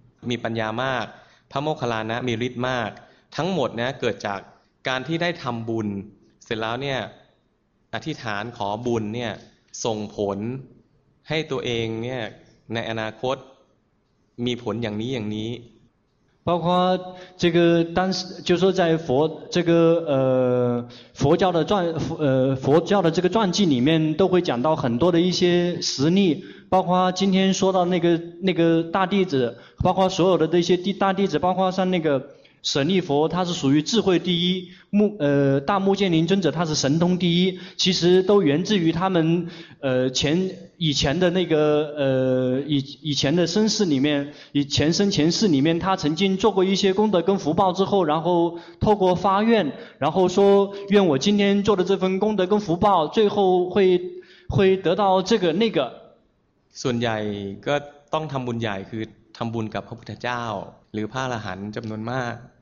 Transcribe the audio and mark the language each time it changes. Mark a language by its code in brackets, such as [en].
[th] มีปัญญามากพระโมคคัลลานะมีฤทธิ์มากทั้งหมดนะเกิดจากการที่ได้ทำบุญเสร็จแล้วเนี่ยอธิษฐานขอบุญเนี่ยส่งผลให้ตัวเองเนี่ยในอนาคตมีผลอย่างนี้อย่างนี้ [zh] 包括这个当时就是说在佛这个佛教的传佛教的这个传记里面都会讲到很多的一些实例，包括今天说到那个大弟子，包括所有的这些大弟子，包括像那个舍利弗，他是属于智慧第一，大目犍连尊者他是神通第一，其实都源自于他们以前的那个以前的身世里面，以前生前世里面，他曾经做过一些功德跟福报之后，然后透过发愿，然后说愿我今天做的这份功德跟福报，最后会得到这个那个。 [th] ส่วนใหญ่ก็ต้องทำบุญใหญ่คือทำบุญกับพระพุทธเจ้าหรือพระอรหันต์จำนวนมาก